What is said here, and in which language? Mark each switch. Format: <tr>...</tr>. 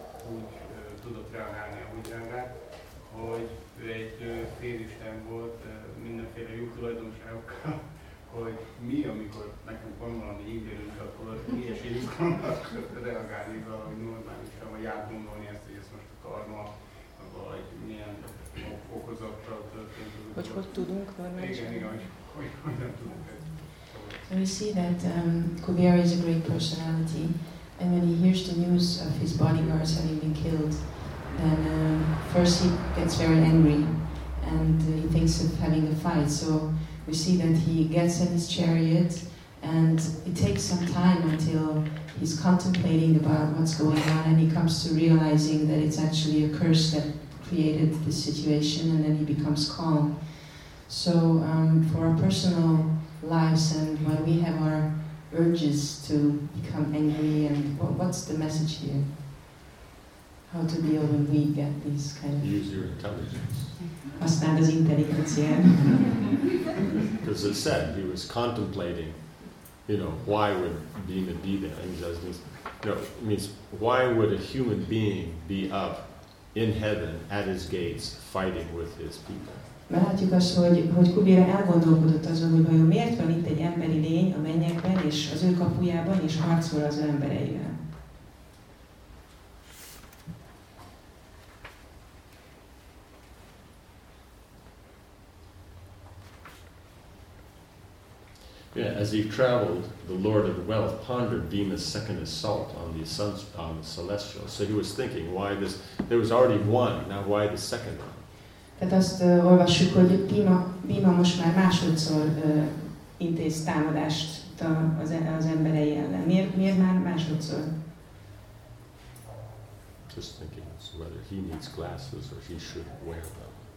<hu>úgy tudott reagálni, ahogy reagált, hogy ő egy félisten volt mindenféle jó tulajdonságokkal, hogy mi, amikor nekünk van valami ígérünk, akkor mi esélyünk annak reagálni valahogy normálisan, vagy átgondolni ezt, hogy ez most a karma, vagy milyen okozattal történt. Hogy hogy tudunk normálisan? Igen, hogy nem tudunk.</hu> <en>We see that Kuvera is a great personality. And when he hears the news of his bodyguards having been killed, then first he gets very angry, and he thinks of having a fight. So we see that he gets in his chariot, and it takes some time until he's contemplating about what's going on, and he comes to realizing that it's actually a curse that created the situation, and then he becomes calm. So for our personal lives and when we have our urges to become angry, and what's the message here? How to deal when we get these kind of... Use your intelligence. Bastantes intelligencia. Because it said he was contemplating, you know, why would Bhima be there? And he says, you know, it means, why would a human being be up in heaven at his gates fighting with his people?</en> <hu>Mert látjuk azt, hogy Kubira elgondolkodott azon, hogy vajon miért van itt egy emberi lény a mennyekben és az ő kapujában, és harcol az embereivel.</hu> <en>Yeah, as he traveled, the Lord of Wealth pondered Bhima's second assault on the sons on the celestial. So he was thinking, why this? There was already one. Now why the second one?</en> <hu>Tehát azt olvassuk, hogy Bhima most már másodszor intéz támadást az emberei ellen. Miért már másodszor?</hu> <en>Just thinking, so whether he needs glasses or he should wear them.</en>